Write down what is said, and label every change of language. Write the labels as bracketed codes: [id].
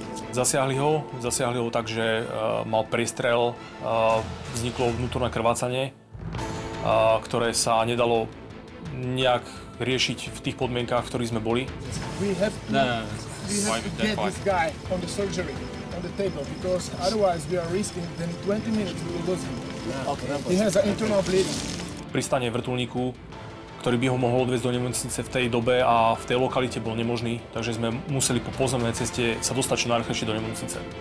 [sk] Zasiahli ho tak, že mal priestrel, vzniklo vnútorné krvácanie, ktoré sa nedalo nejak riešiť v tých podmienkách, v ktorých sme boli. [en] The table because otherwise we are risking then in 20 minutes we will lose him. Okay. He has an internal bleeding. [sk] Pristanie vrtuľníku, ktorý by ho mohol odviesť do nemocnice v tej dobe a v tej lokalite bol nemožný, takže sme museli po pozemnej ceste sa dostať čo najrychlejšie do nemocnice.